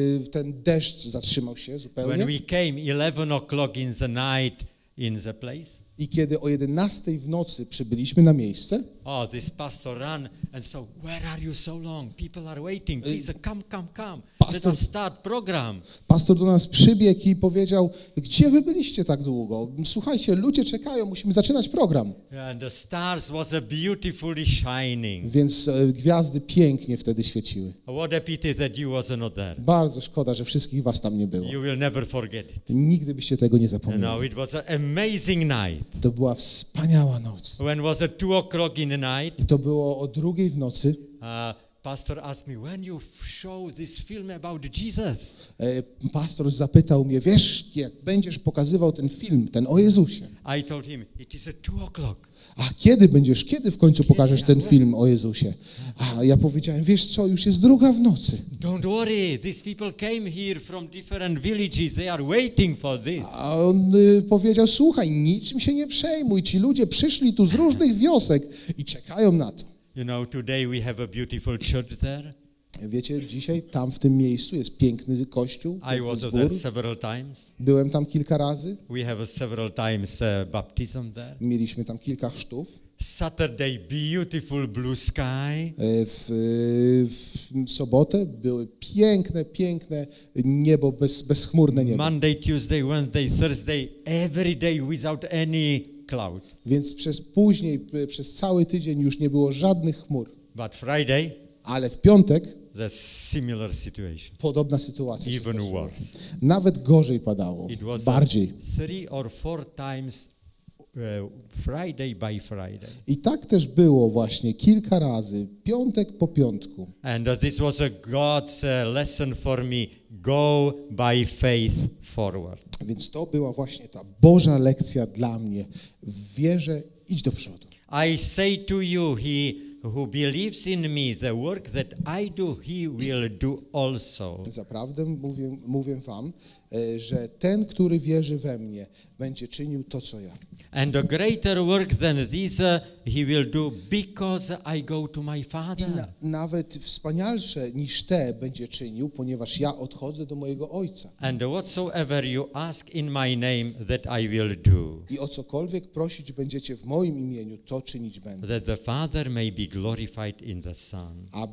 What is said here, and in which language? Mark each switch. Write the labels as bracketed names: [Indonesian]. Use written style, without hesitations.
[Polish] Ten deszcz zatrzymał się zupełnie. [English] When we came 11 o'clock in the night in the place. [Polish] I kiedy o 11 w nocy przybyliśmy na miejsce. [English] Oh, this pastor ran and so where are you so long? People are waiting. Please come. Pastor, let us start program. [Polish] Pastor do nas przybiegł i powiedział: gdzie wy byliście tak długo? Słuchajcie, ludzie czekają, musimy zaczynać program. [English] And the stars was beautifully shining. [Polish] Więc gwiazdy pięknie wtedy świeciły. [English] What a pity that you was not there. [Polish] Bardzo szkoda, że wszystkich was tam nie było. [English] You will never forget it. [Polish] Nigdy byście tego nie zapomnieli. [English] No, it was an amazing night. [Polish] To była wspaniała noc. [English] When was a 2 o'clock in the night. [Polish] I to było o 2 w nocy. [English] Pastor asked me, when you show this film about Jesus? [Polish] Pastor zapytał mnie: wiesz, jak będziesz pokazywał ten film, ten o Jezusie? [English] I told him, it is at 2 o'clock. [Polish] A kiedy pokażesz ten film o Jezusie? A ja powiedziałem: wiesz co, już jest 2 w nocy. [English] Don't worry, these people came here from different villages, they are waiting for this. [Polish] A on powiedział: słuchaj, niczym się nie przejmuj, ci ludzie przyszli tu z różnych wiosek i czekają na to. [English] You know, today we have a beautiful church there. [Polish] Wiecie, dzisiaj tam w tym miejscu jest piękny kościół. [English] I was there several times. [Polish] Byłem tam kilka razy. [English] We have several times baptism there. [Polish] Mieliśmy tam kilka chrztów. [English] Saturday, beautiful blue sky. [Polish] W sobotę były piękne niebo, bezchmurne niebo. [English] Monday, Tuesday, Wednesday, Thursday, every day without any cloud. [Polish] Więc przez cały tydzień już nie było żadnych chmur. [English] But Friday, [Polish] ale w piątek, [English] the similar situation. [Polish] Podobna sytuacja. [English] Even worse. [Polish] Nawet gorzej padało. [English] It was [Polish] bardziej. [English] Three or four times Friday by Friday. [Polish] I tak też było właśnie kilka razy, piątek po piątku. [English] And this was a God's lesson for me. go by faith forward. [Polish] Więc to była właśnie ta Boża lekcja dla mnie. W wierze idź do przodu. [English] I say to you, he who believes in me, the work that I do, he will do also. [Polish] Zaprawdę mówię wam, że ten, który wierzy we mnie, będzie czynił to, co ja. [English] And a greater work than this he will do, because I go to my Father. [Polish] Nawet wspanialsze niż te będzie czynił, ponieważ ja odchodzę do mojego Ojca. [English] And whatsoever you ask in my name, that I will do. [Polish] I o cokolwiek prosić będziecie w moim imieniu, to czynić będę. [English] That the Father may be glorified in the Son.